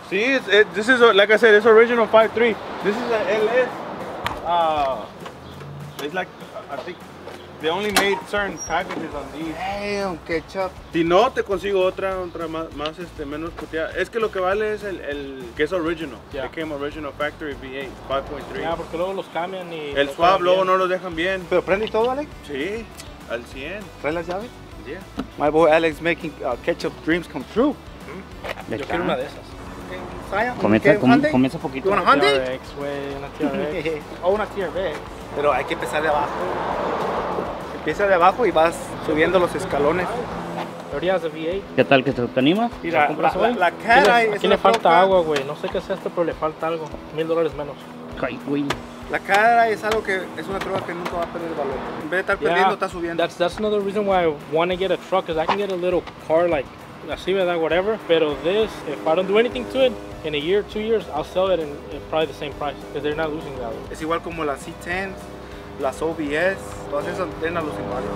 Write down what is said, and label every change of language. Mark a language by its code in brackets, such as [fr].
[en] Sí, this is like I said, it's original 5.3. This is a LS. It's like I think they only made certain packages on these. Damn, ketchup. [es] Si no, te consigo otra más menos puteada. Es que lo que vale es el que es original. [en] Yeah. It came original factory V8 5.3. [es] Yeah, porque luego los cambian y el swap luego no los dejan bien. Pero prende y todo, Alex. Sí. Al 100. ¿Trae las llaves? [en] Yeah. My boy Alex making ketchup dreams come true. [es] Mm-hmm. Yo quiero una de esas. [en] Okay. [es] Comienza poquito. ¿Una Hyundai? Una TRX, güey. Una TRX. O una TRV. Pero hay que empezar de abajo. Empieza de abajo y vas subiendo los escalones. Teorías de V8. ¿Qué tal que te anima? Mira, la cara. Aquí le falta poca agua, güey. No sé qué es esto, pero le falta algo. $1,000 menos. Ay, güey. La cara es algo que es una troca que nunca va a perder el valor. En vez de estar perdiendo, está subiendo. [en] That's another reason why I want to get a truck, because I can get a little car like [es] así, ¿verdad? [en] Whatever. [es] Pero [en] this, if I don't do anything to it, in a year, 2 years, I'll sell it in probably the same price, because they're not losing value. [es] Es igual como las C10, las OBS, todas esas tienen a los iguales.